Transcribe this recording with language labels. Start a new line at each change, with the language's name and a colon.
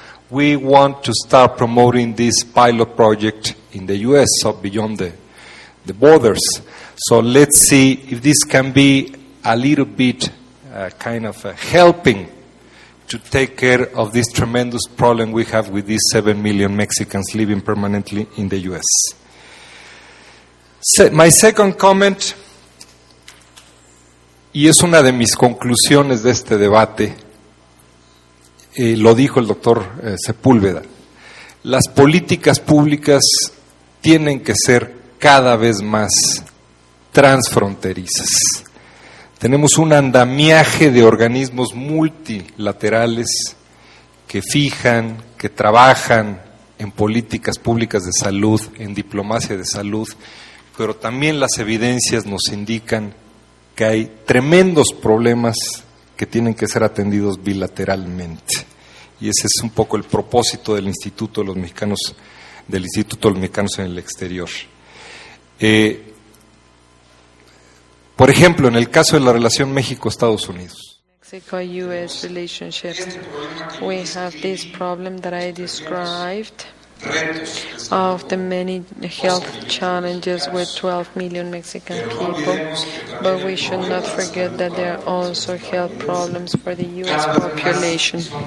English: We want to start promoting this pilot project in the U.S., so beyond the borders. So let's see if this can be a little bit kind of helping to take care of this tremendous problem we have with these 7 million Mexicans living permanently in the U.S. So my second comment,
Spanish: y es una de mis conclusiones de este debate, lo dijo el doctor Sepúlveda, las políticas públicas tienen que ser cada vez más transfronterizas. Tenemos un andamiaje de organismos multilaterales que fijan, que trabajan en políticas públicas de salud, en diplomacia de salud, pero también las evidencias nos indican que hay tremendos problemas que tienen que ser atendidos bilateralmente. Y ese es un poco el propósito del Instituto de los Mexicanos, del Instituto de los Mexicanos en el exterior. Por ejemplo, en el caso de la relación México-Estados Unidos.
English: Mexico-U.S. relationship. We have this problem that I described of the many health challenges with 12 million Mexican people, but we should not forget that there are also health problems for the U.S. population.